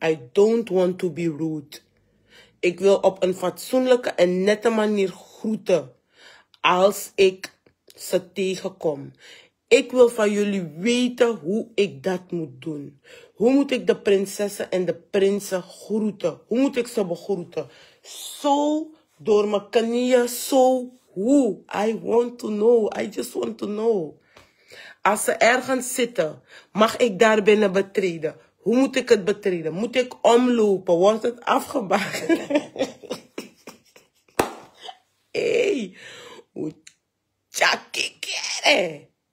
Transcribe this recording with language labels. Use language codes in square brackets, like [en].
[en] I don't want to be rude. [nl] Ik wil op een fatsoenlijke en nette manier groeten als ik ze tegenkom. Ik wil van jullie weten hoe ik dat moet doen. Hoe moet ik de prinsessen en de prinsen groeten? Hoe moet ik ze begroeten? Zo door mijn knieën, zo hoe? [en] I want to know, I just want to know. [nl] Als ze ergens zitten, mag ik daar binnen betreden? Hoe moet ik het betreden? Moet ik omlopen? Wordt het afgebakken? Hé, hey, hoe tjakkie kere?